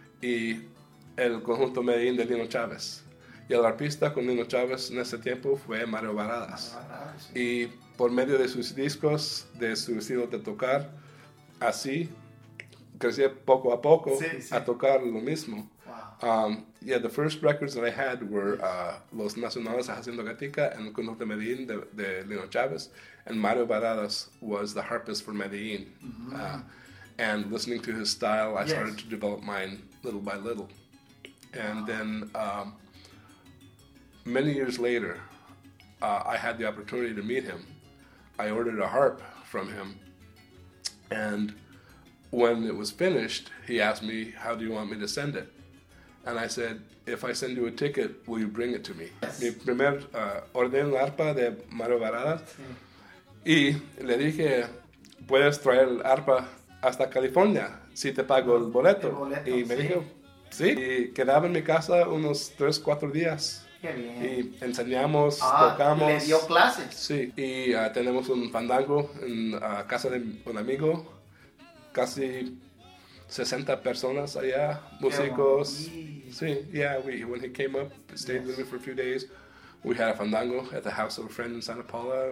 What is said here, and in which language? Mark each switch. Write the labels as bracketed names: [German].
[Spanish] Y el conjunto Medellín de Lino Chávez. Y el arpista con Lino Chávez en ese tiempo fue Mario Barradas. Sí. Y por medio de sus discos, de su estilo de tocar, así crecí poco a poco a tocar lo mismo. Wow. [English] Yeah, the first records that I had were Los Nacionales Haciendo Gatica and Cuno de Medellin de Lino Chavez, and Mario Baradas was the harpist for Medellin. Mm-hmm. And listening to his style, I started to develop mine little by little. And then many years later, I had the opportunity to meet him. I ordered a harp from him, and when it was finished, he asked me, how do you want me to send it? And I said, if I send you a ticket, will you bring it to me? Yes. [Spanish] Mi primer orden la arpa de Mario Baradas. Sí. Y le dije, puedes traer el arpa hasta California si te pago el boleto. El boleto y sí. Me dijo, sí. Y quedaba en mi casa unos 3-4 días. Qué bien. Y enseñamos, tocamos. Y le dio clases. Sí. Y tenemos un fandango en casa de un amigo. Casi 60 personas allá, músicos. [English] Sí, yeah, when he came up, stayed with me for a few days, we had a fandango at the house of a friend in Santa Paula.